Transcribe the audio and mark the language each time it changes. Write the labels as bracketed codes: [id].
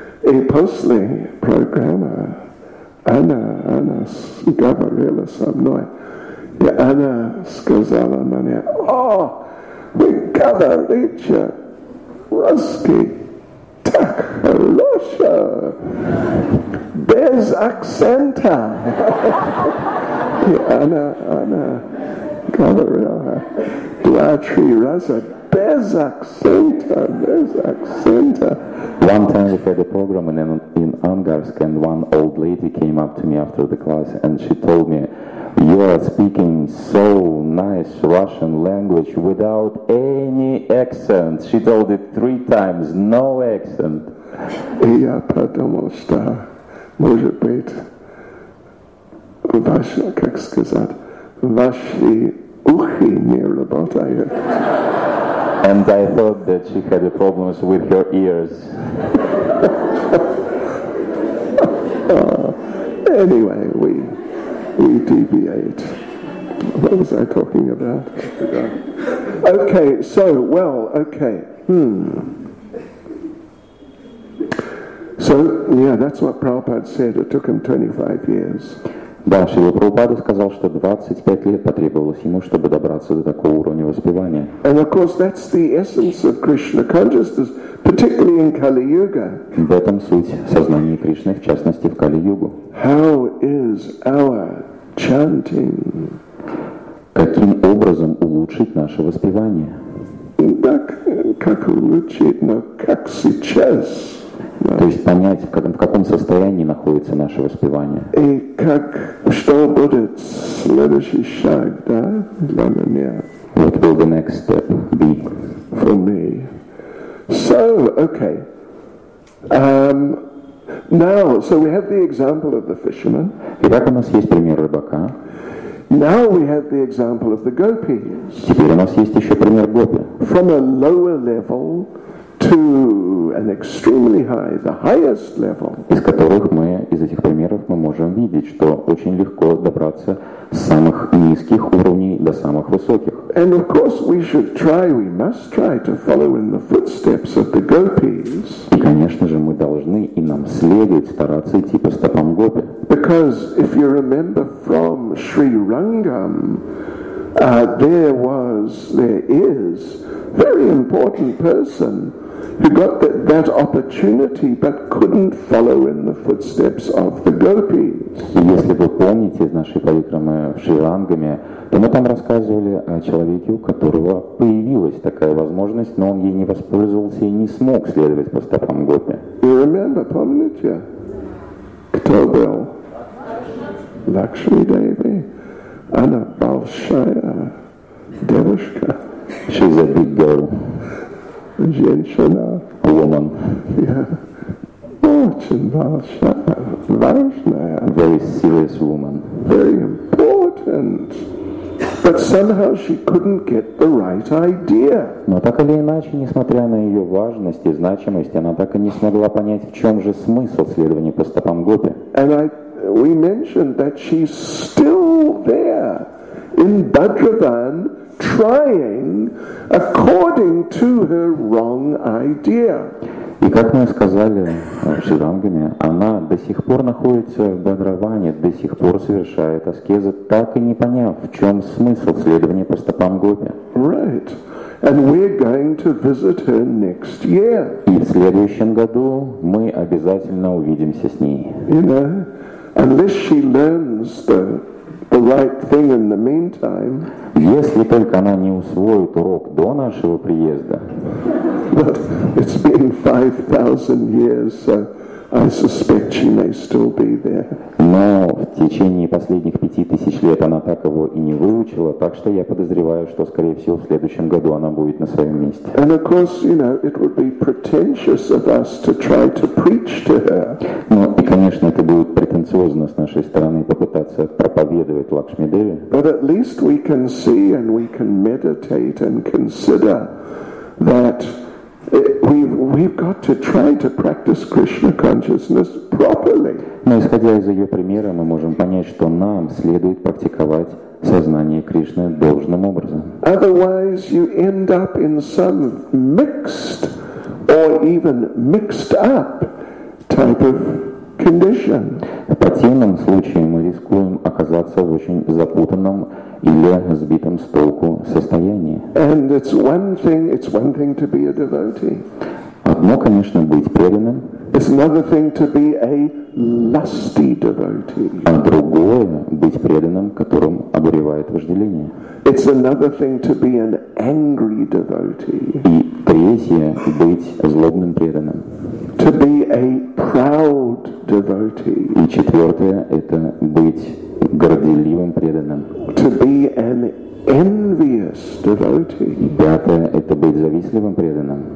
[ru] И после программы она говорила со мной, и она сказала мне, «О, вы говорите русский так хорошо, без акцента!» И она говорила два-три раза, без акцента, без акцента. [en] One time we had a program in Angarsk, and one old lady came up to me after the class, and she told me, you are speaking so nice Russian language without any accent. She told it three times, no accent. [ru] Я потому что, может быть, ваши, как сказать, ваши ухи не работают. [en] And I thought that she had problems with her ears. Anyway, we deviate. What was I talking about? Okay, so, well, okay. So, yeah, that's what Prabhupada said. It took him 25 years. [ru] Да, Шрила Прабхупада сказал, что 25 лет потребовалось ему, чтобы добраться до такого уровня воспевания. [en] And of course, that's the essence of Krishna consciousness, particularly in Kali Yuga. [ru] В этом суть сознания Кришны, в частности, в Кали-Югу. [en] How is our chanting? [ru] Каким образом улучшить наше воспевание? Так, как улучшить, но как сейчас? То есть понять, в каком состоянии находится наше воспевание. И как, что будет следующий шаг, да, для меня? [en] What will the next step be? For me. So, okay. Now, so we have the example of the fisherman. [ru] Итак, у нас есть пример рыбака. [en] Now we have the example of the gopis. [ru] Теперь у нас есть еще пример гопи. [en] From a lower level to an extremely high, the highest level. [ru] Из которых мы, из этих примеров, мы можем видеть, что очень легко добраться с самых низких уровней до самых высоких. [en] And of course we should try, we must try to follow in the footsteps of the gopis. [ru] И, конечно же, мы должны и нам следует стараться идти по стопам гопи. [en] Because if you remember from Sri Rangam, there is very important person who got that opportunity but couldn't follow in the footsteps of the gopis. [ru] Если вы помните из нашей парикрамы в Шри-Рангаме, то мы там рассказывали о человеке, у которого появилась такая возможность, но он ей не воспользовался и не смог следовать по стопам гопи. [en] You remember, [ru] помните? Кто был? Лакшми Деви. Она большая девушка. [en] She's a big girl. [ru] Женщина. [en] Woman. [ru] Yeah. Очень большая. [en] Very serious woman. Very important. But somehow she couldn't get the right idea. [ru] Но так или иначе, несмотря на ее важность и значимость, она так и не смогла понять, в чем же смысл следования по стопам Гопи. [en] And we mentioned that she's still there in Bhadravan, trying according to her wrong idea. [ru] И как мы сказали Шрангами, она до сих пор находится в Бхадраване, до сих пор совершает аскезы, так и не поняв, в чем смысл следования по стопам Гопи. [en] Right. And we're going to visit her next year. [ru] И в следующем году мы обязательно увидимся с ней. [en] You know, unless she learns the right thing in the meantime. [ru] Если только она не усвоит урок до нашего приезда. [en] But it's been 5,000 years, so I suspect she may still be there. [ru] Но в течение последних 5000 лет она так его и не выучила, так что я подозреваю, что, скорее всего, в следующем году она будет на своем месте. [en] And of course, you know, it would be pretentious of us to try to preach to her. [ru] Ну, и, конечно, это будет претенциозно с нашей стороны попытаться проповедовать Лакшми Деви. [en] But at least we can see and we can meditate and consider that we've got to try to practice Krishna consciousness properly. [ru] Но исходя из ее примера, мы можем понять, что нам следует практиковать сознание Кришны должным образом. [en] Otherwise, you end up in some mixed or even mixed up type of condition. [ru] В противном случае мы рискуем оказаться в очень запутанном или сбитом с толку состоянии. [en] And it's one thing to be a devotee. [ru] Одно, конечно, быть преданным. [en] It's another thing to be a lusty devotee. [ru] А другое — быть преданным, которым обуревает вожделение. [en] It's another thing to be an angry devotee. [ru] И третье — быть злобным преданным. [en] To be a proud devotee. [ru] И четвертое — это быть горделивым преданным. [en] To be an envious devotee. [ru] И пятое — это быть завистливым преданным.